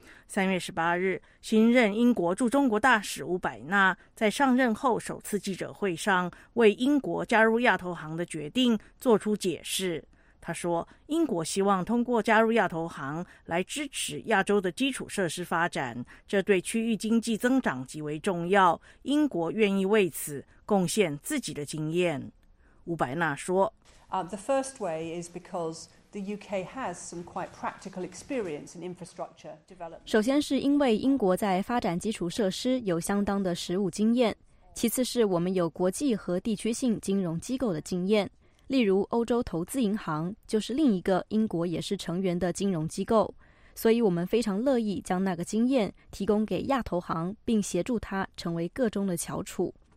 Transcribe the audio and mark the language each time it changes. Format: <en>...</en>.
<zh>3月18日，新任英国驻中国大使伍百纳在上任后首次记者会上为英国加入亚投行的决定作出解释。他说，英国希望通过加入亚投行来支持亚洲的基础设施发展，这对区域经济增长极为重要，英国愿意为此贡献自己的经验。伍百纳说，</zh> <en>The first way is becauseThe UK has some quite practical experience in infrastructure development.</en> <zh>首先是因为英国在发展基础设施有相当的实务经验，其次是我们有国际和地区性金融机构的经验。例如欧洲投资银行就是另一个英国也是成员的金融机构，所以我们非常乐意将那个经验提供给亚投行，并协助它成为各中的翘楚。</zh>